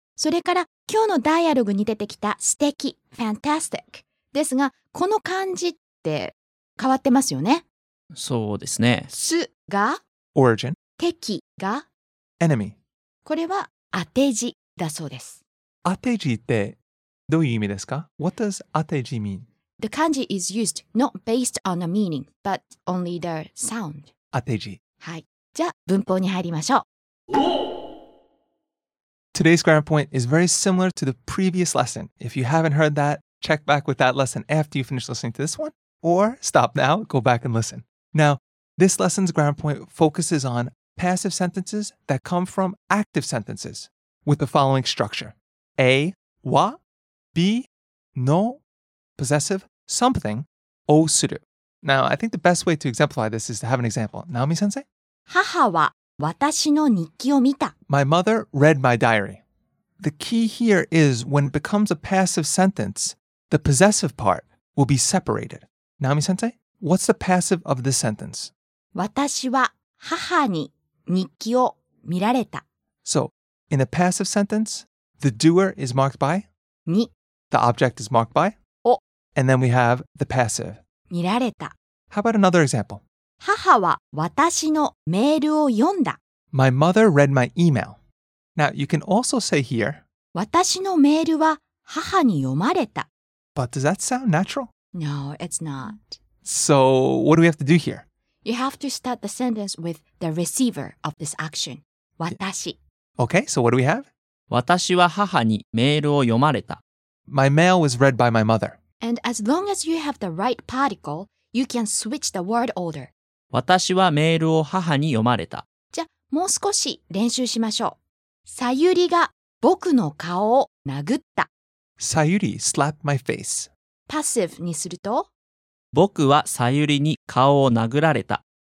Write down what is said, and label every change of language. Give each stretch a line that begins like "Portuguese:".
Japanese: それから今日のダイアログに出てきた素敵、fantastic ですが、この漢字って変わってますよね。そうですね。すが
English: origin、
Japanese: 敵が
English: enemy。
Japanese: これは当て字だそうです。当て字ってどういう意味ですか？
English: What does 当て字 mean? The 漢字 is used not based on a meaning but only the sound.
Japanese: 当て字。はい、じゃあ文法に入りましょう。
English: Today's grammar point is very similar to the previous lesson. If you haven't heard that, check back with that lesson after you finish listening to this one. Or stop now, go back and listen. Now, this lesson's grammar point focuses on passive sentences that come from active sentences with the following structure. A, wa, B, no, possessive, something, o suru. Now, I think the best way to exemplify this is to have an example. Naomi-sensei?
Japanese: 母は私の日記を見た。
English: My mother read my diary. The key here is when it becomes a passive sentence, the possessive part will be separated. Naomi-sensei, what's the passive of this sentence?
Japanese: 私は母に日記を見られた。
English: So, in a passive sentence, the doer is marked by?
Japanese: に。
English: The object is marked by?
Japanese: お。
English: And then we have the passive.
Japanese: 見られた。
English: How about another example?
Japanese: 母は私のメールを読んだ。
English: My mother read my email. Now, you can also say here,
Japanese: 私のメールは母に読まれた。
English: But does that sound natural? No, it's not. So, what do we have to do here? You have to start the sentence with the receiver of this action.
Japanese: 私。
English: Okay, so what do we have?
Japanese: 私は母にメールを読まれた。
English: My mail was read by my mother. And as long as you have the right particle,You can switch the word order.
Japanese: 私はメールを母に読まれた。じゃあもう少し練習しましょう。さゆりが僕の顔を殴った。
English: さゆり slapped my face.
Japanese: Passive にすると、僕はさゆりに顔を殴られた。